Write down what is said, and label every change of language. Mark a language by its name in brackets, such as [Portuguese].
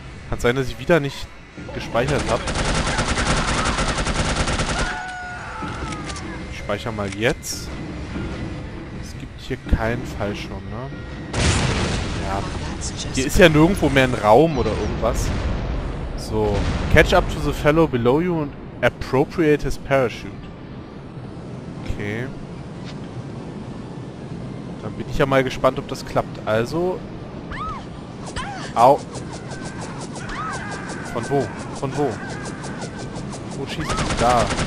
[German] Kann sein, dass ich wieder nicht gespeichert habe. Ich speichere mal jetzt. Es gibt hier keinen Fallschirm, ne? Ja. Hier ist ja nirgendwo mehr ein Raum oder irgendwas. So. [English] Catch up to the fellow below you and appropriate his parachute. [German] Okay. Dann bin ich ja mal gespannt, ob das klappt. Also. Au. Von wo? Von wo? Wo schießt du? Da.